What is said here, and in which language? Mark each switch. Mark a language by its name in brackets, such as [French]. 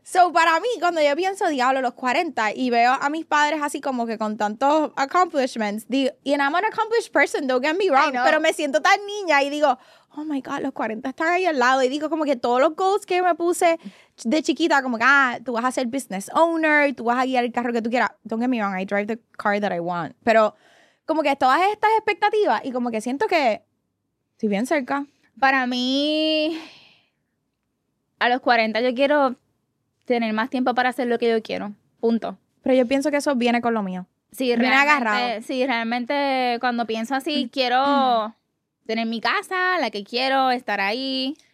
[Spanish] So, para mí, cuando yo pienso, diablo, los 40, y veo a mis padres así como que con tantos accomplishments, digo, [English] and I'm an accomplished person, don't get me wrong, [Spanish] pero me siento tan niña y digo, [English] oh my God, [Spanish] los 40 están ahí al lado. Y digo como que todos los goals que me puse de chiquita, como que, tú vas a ser business owner, tú vas a guiar el carro que tú quieras. [English] Don't get me wrong, I drive the car that I want. [Spanish] Pero... como que todas estas expectativas y como que siento que estoy bien cerca. Para mí, a los 40 yo quiero tener más tiempo para hacer lo que yo quiero. Punto. Pero yo pienso que eso viene con lo mío. Sí, me he agarrado. Sí, realmente cuando pienso así, quiero tener mi casa, la que quiero, estar ahí.